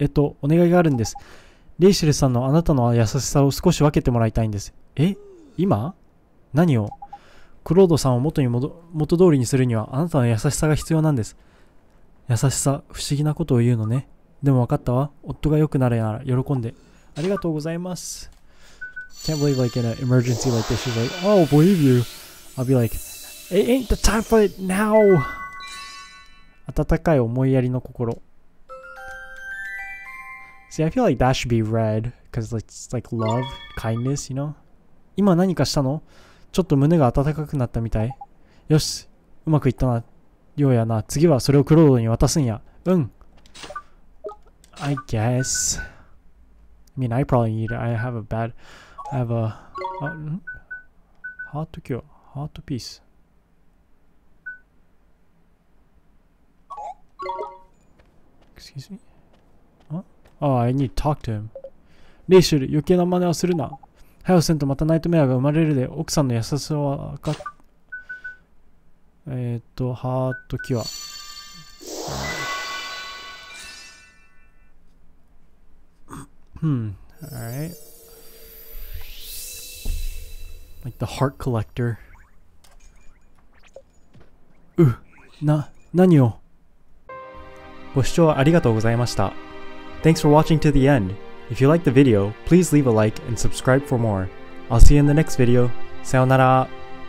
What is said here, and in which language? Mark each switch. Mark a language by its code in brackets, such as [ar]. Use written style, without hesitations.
[ja] お願いがあるんです。レイシルさんのあなたの優しさを少し分けてもらいたいんです。え？今？何を？クロードさんを元通りにするにはあなたの優しさが必要なんです。優しさ、不思議なことを言うのね。でも分かったわ。夫が良くなるなら喜んで。ありがとうございます。 [en] Can't believe like in an emergency like this she's like, oh, believe you. I'll be like, it ain't the time for it now. [ja] 温かい思いやりの心。 [en] See, I feel like that should be red because it's like love, kindness, you know. [ja] 今何かしたの？ちょっと胸が温かくなったみたい。よし、うまくいったな。ようやな。次はそれをクロードに渡すんや。うん。 [en] I guess. I mean, I probably need it. I have a... Heart to cure. Heart to peace. Excuse me? Oh, I need to talk to him. [ja] レイシュル、余計な真似はするな。ハヨセンとまたナイトメアが生まれるで、奥さんの優しさは分かっ…ハートキュア。 [en] Alright. Like the heart collector. [ja] なにを? ご視聴ありがとうございました。 [en] Thanks for watching to the end. If you liked the video, please leave a like and subscribe for more. I'll see you in the next video. [ja] さよなら。